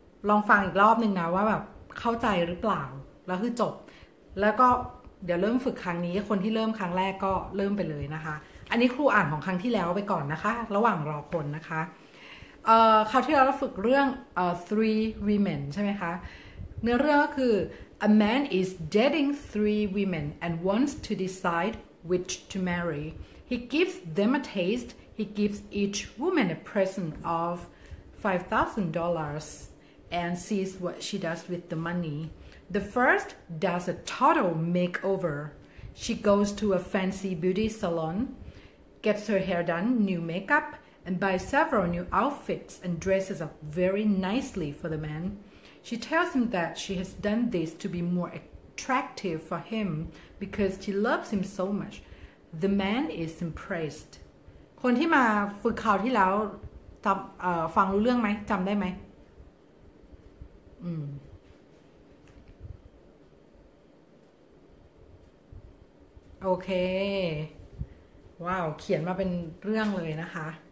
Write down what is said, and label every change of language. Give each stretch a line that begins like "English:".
Thai: ลองฟังอีกรอบนึงนะว่าแบบเข้าใจหรือเปล่าแล้วคือจบแล้วก็เดี๋ยวเริ่มฝึกครั้งนี้คนที่เริ่มครั้งแรกก็เริ่มไปเลยนะคะอันนี้ครูอ่านของครั้งที่แล้วไปก่อนนะคะระหว่างรอคนนะคะคราวที่แล้วเราฝึกเรื่อง three women ใช่ไหมคะเนื้อเรื่องก็คือ
English: a man is dating three women and wants to decide which to marryHe gives them a taste. He gives each woman a present of $5,000 and sees what she does with the money. The first does a total makeover. She goes to a fancy beauty salon, gets her hair done, new makeup, and buys several new outfits and dresses up very nicely for the man. She tells him that she has done this to be more attractive for him because she loves him so much. The man is impressed.
Thai: คนที่มาฝึกคราวที่แล้วจำฟังรู้เรื่องไหมจำได้ไหมโอเคว้าวเขียนมาเป็นเรื่องเลยนะคะ